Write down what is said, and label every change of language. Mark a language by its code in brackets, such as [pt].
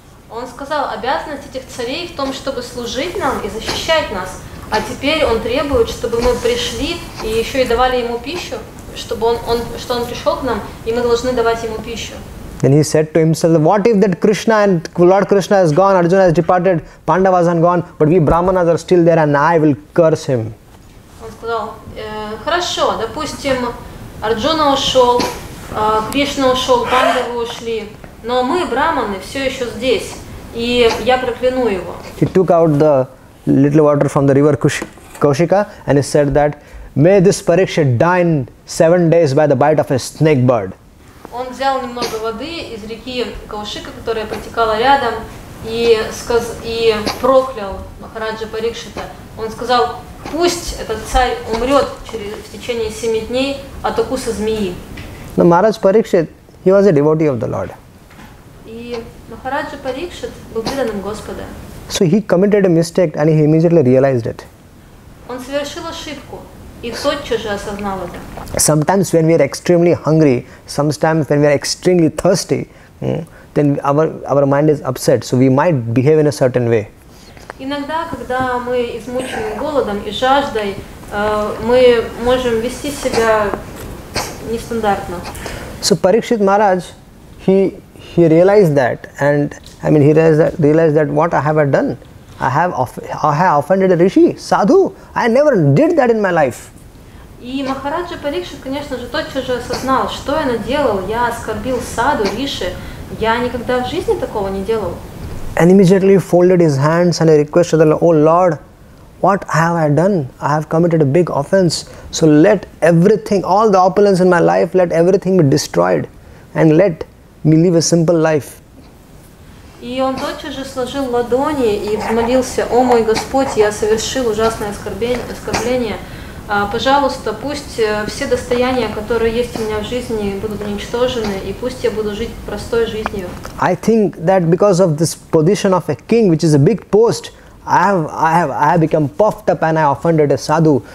[ru] Он сказал, обязанность этих царей в том, чтобы служить нам и защищать нас. А теперь он требует, чтобы мы пришли и еще и давали ему пищу, чтобы он пришел к нам, и мы должны давать ему пищу. [en] Then he said to himself, what if that Krishna and Lord Krishna has gone, Arjuna has departed, Pandavas are gone, but we Brahmanas are still there and I will curse him. [ru] Он сказал, хорошо, допустим, Арджуна ушел, Кришна ушел, Пандавы ушли, но мы, браманы, все еще здесь, и я прокляну его. [en] He took out the little water from the river Kaushika and he said that, may this Parikshit die in 7 days by the bite of a snake bird. [ru] Он взял немного воды из реки Каушика, которая протекала рядом, и проклял Махараджа Парикшита. Он сказал, пусть этот царь умрет в течение 7 дней от укуса змеи. [en] Но Махарадж Парикшит, he was a devotee of the Lord. [ru] И Махараджа Парикшит был преданным Господа. [en] So he committed a mistake and he immediately realized it. [ru] Он совершил ошибку и тотчас же осознал это. [en] Sometimes when we are extremely hungry, sometimes when we are extremely thirsty, then our mind is upset, so we might behave in a certain way. [ru] Иногда, когда мы измучены голодом и жаждой, мы можем вести себя нестандартно. [en] So Parikshit Maharaj, he realized that, and I mean, he realized that what I have done, I have offended a rishi, sadhu. I never did that in my life. [ru] И Махараджа Парикшит, конечно же, тотчас же осознал, что я наделал. Я оскорбил саду, риши. Я никогда в жизни такого не делал. [en] And immediately folded his hands and requested, oh Lord, what have I done? I have committed a big offense. So let everything, all the opulence in my life, let everything be destroyed. And let me live a simple life. [ru] И он тотчас же сложил ладони и взмолился, о мой Господь, я совершил ужасное оскорбление. Пожалуйста, пусть все достояния, которые есть у меня в жизни, будут уничтожены, и пусть я буду жить простой жизнью. [en] I think that because of this position of a king, which is a big post, I have become puffed up and I offended a sadhu.